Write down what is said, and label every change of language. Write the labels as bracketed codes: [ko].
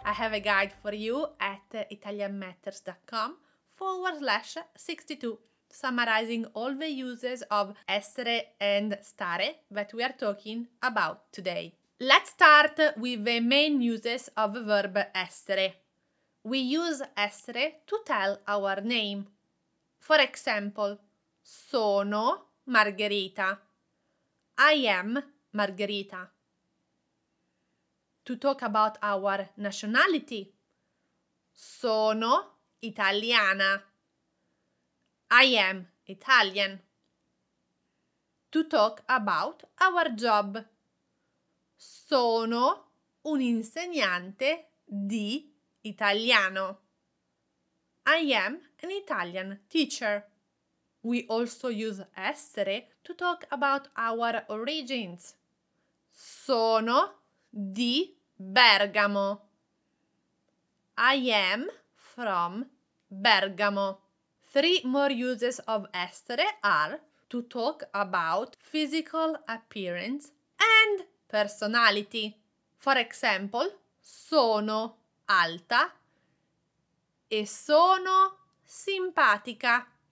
[en] I have a guide for you at italianmatters.com/62, summarizing all the uses of essere and stare that we are talking about today. Let's start with the main uses of the verb essere. We use essere to tell our name. For example, [it] sono Margherita. [en] I am Margherita. To talk about our nationality, [it] sono italiana. [en] I am Italian. To talk about our job, [it] sono un insegnante di italiano. [en] I am an Italian teacher. We also use essere to talk about our origins. [it] Sono di Bergamo. [en] I am from Bergamo. Three more uses of essere are to talk about physical appearance and personality. For example, [it] sono alta e sono simpatica.